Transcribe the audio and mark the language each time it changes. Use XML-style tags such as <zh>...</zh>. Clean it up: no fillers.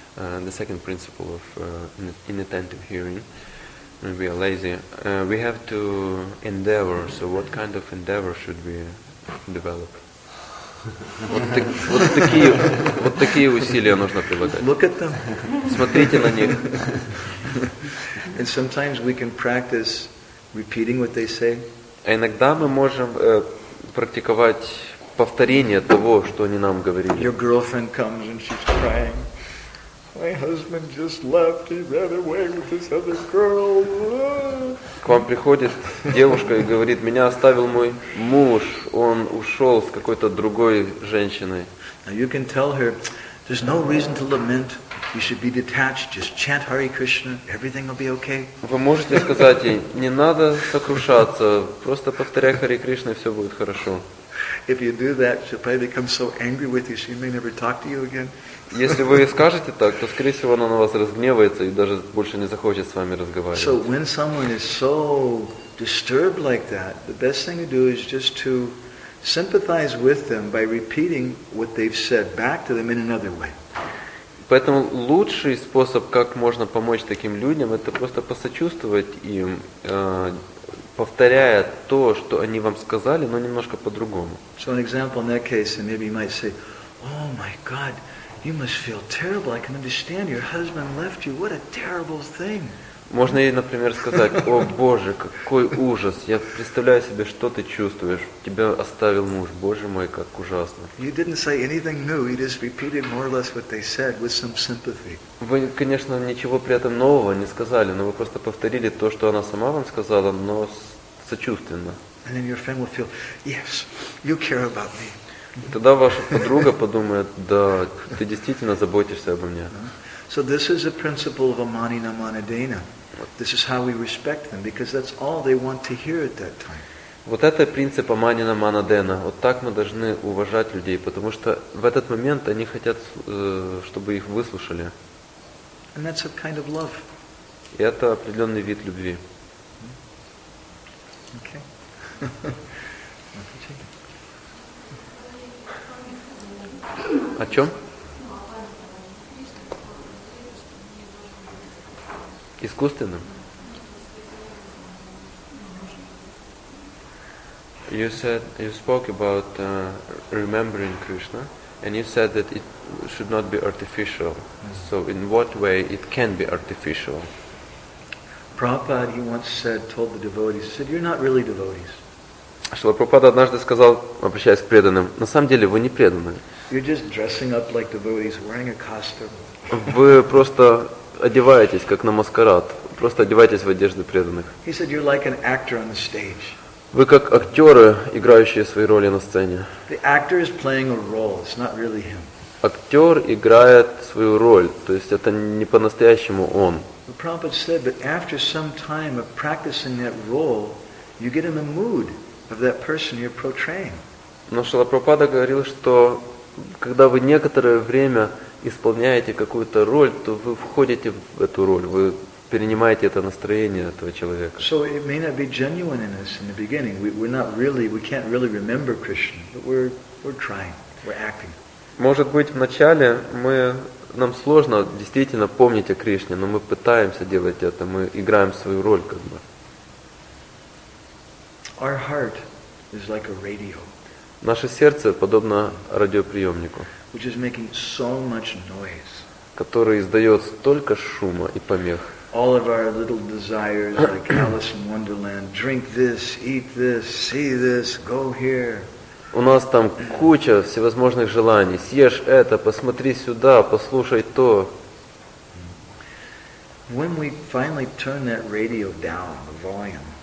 <en>the second principle of inattentive hearing, when we are lazy, we have to endeavor. So what kind of endeavor should we develop?</en> <ru>Вот такие усилия нужно прилагать.</ru> <en>Look at them.</en> <ru>Смотрите на них.</ru> <en>And sometimes we can practice repeating what they say.</en> <ru>А иногда мы можем практиковать повторение того, что они нам говорили.</ru> <en>Your girlfriend comes and she's crying. My husband just left. He ran away with this other girl.</en> <ru>К вам приходит девушка и говорит: меня оставил мой муж. Он ушел с какой-то другой женщиной.</ru> <en>Now you can tell her, there's no reason to lament. You should be detached. Just chant Hare Krishna. Everything will be okay.</en> <ru>Вы можете сказать ей: не надо сокрушаться. Просто повторяй Hare Krishna, и все будет хорошо.</ru> <en>If you do that, she'll probably become so angry with you, she may never talk to you again.</en> <ru>Если вы скажете так, то, скорее всего, она на вас разгневается и даже больше не захочет с вами разговаривать.</ru> <en>So when someone is so disturbed like that, the best thing to do is just to sympathize with them by repeating what they've said back to them in another way.</en> <ru>Поэтому лучший способ, как можно помочь таким людям, это просто посочувствовать им, повторяя то, что они вам сказали, но немножко по-другому.</ru> <en>So an example in that case, and maybe you might say, oh my God, you must feel terrible. I can understand your husband left you. What a terrible thing.</en> <ru>Можно ей, например, сказать: о Боже, какой ужас. Я представляю себе, что ты чувствуешь. Тебя оставил муж. Боже мой, как ужасно.</ru> <en>You didn't say anything new. You just repeated more or less what they said with some sympathy.</en> <ru>Вы, конечно, ничего при этом нового не сказали, но вы просто повторили то, что она сама вам сказала, но сочувственно.</ru> <en>And then your friend will feel, yes, you care about me.</en> <ru>Тогда ваша подруга подумает: да, ты действительно заботишься обо мне.</ru> <en>So this is a principle of amani namana dana. This is how we respect them, because that's all they want to hear at that time.</en> <ru>Вот это принцип амани намана дена. Вот так мы должны уважать людей, потому что в этот момент они хотят, чтобы их выслушали.</ru> <en>And that's a kind of love.</en> <ru>И это определенный вид любви.</ru> <en>Okay.</en> <ru>О чем? Искусственным?</ru> <en>You said, you spoke about remembering Krishna, and you said that it should not be artificial. Mm-hmm. So in what way it can be artificial? Prabhupada, he once said, told the devotees, he said, you're not really devotees.</en> <ru>Шрила Прабхупада однажды сказал, обращаясь к преданным: на самом деле вы не преданные.</ru> <en>You're just dressing up like devotees, wearing a costume.</en> <ru>Вы просто одеваетесь как на маскарад, просто одеваетесь в одежды преданных.</ru> <en>He said you're like an actor on the stage.</en> <ru>Вы как актеры, играющие свои роли на сцене.</ru> <en>The actor is playing a role, it's not really him.</en> <ru>Актер играет свою роль, то есть это не по-настоящему он.</ru> <en>The Prabhupada said, but after some time of practicing that role, you get in the mood of that person you're portraying.</en> <ru>Но Шрила Прабхупада говорил, что когда вы некоторое время исполняете какую-то роль, то вы входите в эту роль, вы перенимаете это настроение этого человека.</ru> <en>So it may not be genuine in us in the beginning. We're not really, we can't really remember Krishna, but we're trying, we're acting.</en> <ru>Может быть, вначале нам сложно действительно помнить о Кришне, но мы пытаемся делать это, мы играем свою роль как бы.</ru> <en>Our heart is like a radio.</en> <ru>Наше сердце подобно радиоприемнику,</ru> <en>which is making so much noise,</en> <ru>который издает столько шума и помех.</ru> <en>All of our little desires, like Alice in Wonderland, drink this, eat this, see this, go here.</en> <ru>У нас там куча всевозможных желаний. Съешь это, посмотри сюда, послушай то.</ru> <en>When we finally turn that radio down, the volume.</en>